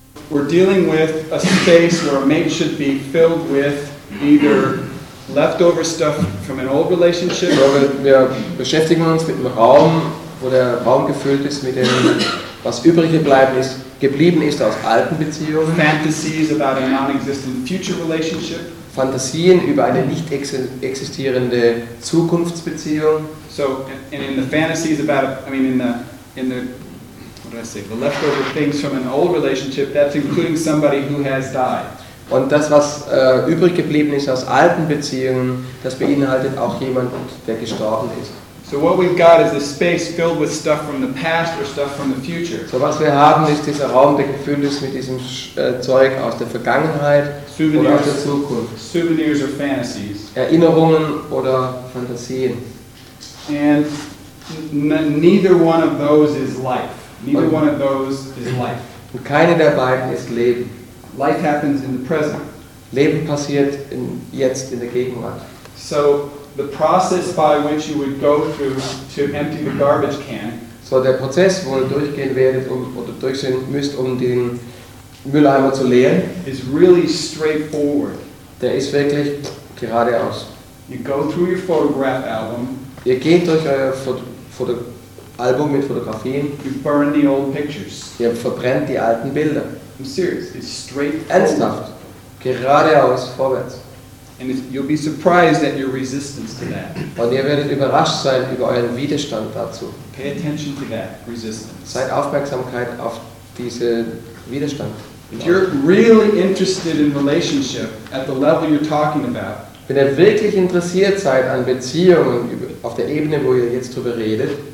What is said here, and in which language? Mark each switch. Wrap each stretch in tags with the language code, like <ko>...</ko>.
<en>we're dealing with a space where a mate should be filled with either leftover stuff from an old relationship.</en> <de>Wir beschäftigen uns mit dem Raum, wo der Raum gefüllt ist mit dem, was übrig geblieben ist aus alten Beziehungen.</de> <en>Fantasies about a non-existent future relationship.</en> <de>Fantasien über eine nicht existierende Zukunftsbeziehung.</de> <en>So, and in the fantasies about, I mean, in the what did I say? The leftover things from an old relationship. That's including somebody who has died.</en> <de>Und das, was übrig geblieben ist aus alten Beziehungen, das beinhaltet auch jemanden, der gestorben ist.</de> <en>So what we've got is a space filled with stuff from the past or stuff from the future.</en> <de>So was wir haben, ist dieser Raum, der gefüllt ist mit diesem Zeug aus der Vergangenheit</de> <en>souvenirs,</en> <de>oder aus der Zukunft.</de> <en>Souvenirs or fantasies.</en> <de>Erinnerungen oder Fantasien.</de> <en>And neither one of those is life. Neither one of those is life.</en> <de>Und keine der beiden ist Leben.</de> <en>Life happens in the present.</en> <de>Leben passiert jetzt in der Gegenwart.</de> <en>So the process by which you would go through to empty the garbage can.</en> <de>So der Prozess, wo ihr durchgehen werdet oder durchgehen müsst, um den Mülleimer zu leeren,</de> <en>is really straightforward.</en> <de>Der ist wirklich geradeaus.</de> <en>You go through your photograph album.</en> <de>Ihr geht durch euer Album mit Fotografien.</de> <en>You burn the old pictures.</en> <de>Ihr verbrennt die alten Bilder.</de> <en>I'm serious. It's straight.</en> <de>Ernsthaft. Geradeaus vorwärts.</de> <en>And you'll be surprised at your resistance to that.</en> <de>Und ihr werdet überrascht sein über euren Widerstand dazu.</de> <en>Pay attention to that resistance.</en> <de>Seid Aufmerksamkeit auf diesen Widerstand.</de> <en>If you're really interested in relationship at the level you're talking about.</en> <de>Wenn ihr wirklich interessiert seid an Beziehungen auf der Ebene, wo ihr jetzt drüber redet,</de>